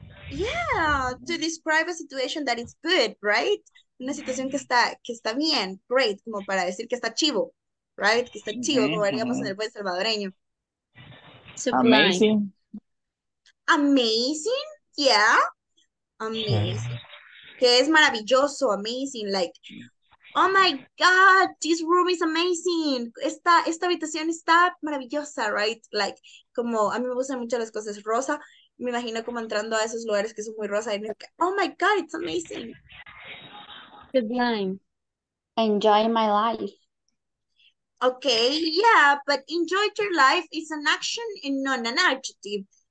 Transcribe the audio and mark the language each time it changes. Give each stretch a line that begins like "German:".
English: Yeah, to describe a situation that is good, right?
Spanish: Una situación que está bien, great, como para decir que está chivo, right? Que está chivo, mm-hmm. Como digamos en el buen salvadoreño.
English: Amazing, yeah. Amazing.
Spanish: Que es maravilloso,
English: amazing, like, oh my God, this room is amazing.
Spanish: Esta habitación está maravillosa, right? Like, como a mí me gustan mucho las cosas rosa. Me imagino como entrando a esos lugares que son muy rosa. Y me dice,
English: oh my God, it's amazing. Good line. Enjoy my life. Okay, yeah, but enjoy your life is an action and not an adjective.